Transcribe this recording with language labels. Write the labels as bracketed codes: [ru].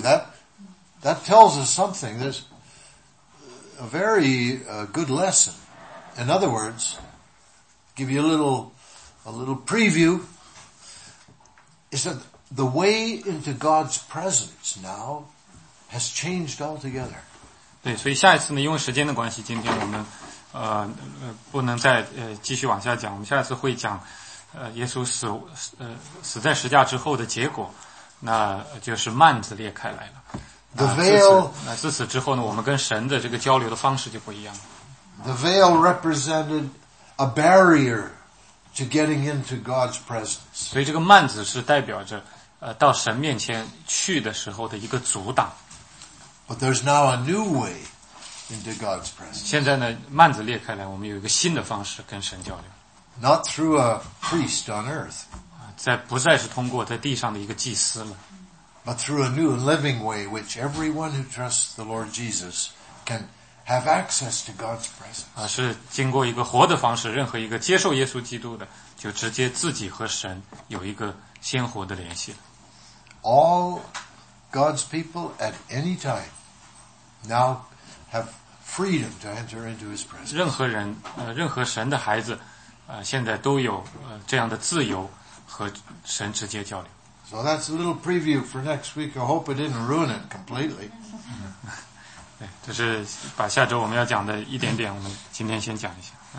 [en] That tells us something. There's a very good lesson. In other words, give you a little preview. Is that... The way into God's presence now has changed altogether. [zh] 对，所以下一次呢，因为时间的关系，今天我们不能再继续往下讲。我们下一次会讲耶稣死在十架之后的结果，那就是幔子裂开来了。 [en] The veil. [zh] 那自此之后呢，我们跟神的这个交流的方式就不一样了。 [en] The veil represented a barrier. To getting into God's presence. [zh] 所以这个幔子是代表着到神面前去的时候的一个阻挡。 [en] But there's now a new way into God's presence. [zh] 现在呢幔子裂开来，我们有一个新的方式跟神交流。 [en] Not through a priest on earth. [zh] 不再是通过在地上的一个祭司了。 [en] But through a new living way which everyone who trusts the Lord Jesus can have access to God's presence. [zh] 是经过一个活的方式，任何一个接受耶稣基督的，就直接自己和神有一个鲜活的联系了。 [en] All God's people at any time now have freedom to enter into his presence. [zh] 任何人，任何神的孩子，现在都有这样的自由，和神直接交流。 [en] So that's a little preview for next week. I hope it didn't ruin it completely. [zh] 这是把下周我们要讲的一点点，我们今天先讲一下。